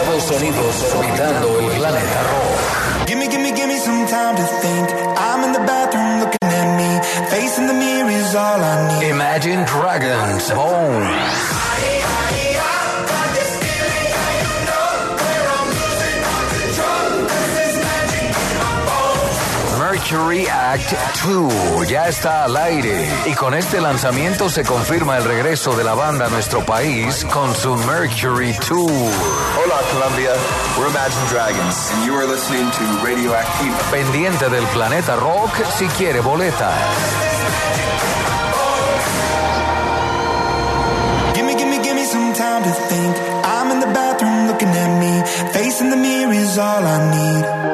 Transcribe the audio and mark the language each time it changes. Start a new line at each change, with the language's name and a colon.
Spanish: Unidos orbitando el planeta rojo.
English: Give me, give me, give me some time to think. I'm in the bathroom looking at me. Facing the mirror is all I need. Imagine Dragons, Bone.
Spanish: Mercury Act 2 ya está al aire. Y con este lanzamiento se confirma el regreso de la banda a nuestro país con su Mercury Tour.
English: Hola, Colombia. We're Imagine Dragons. And you are listening to Radioactive.
Spanish: Pendiente del planeta rock si quiere boleta.
English: Give me, give me some time to think. I'm in the bathroom looking at me. Facing the mirror is all I need.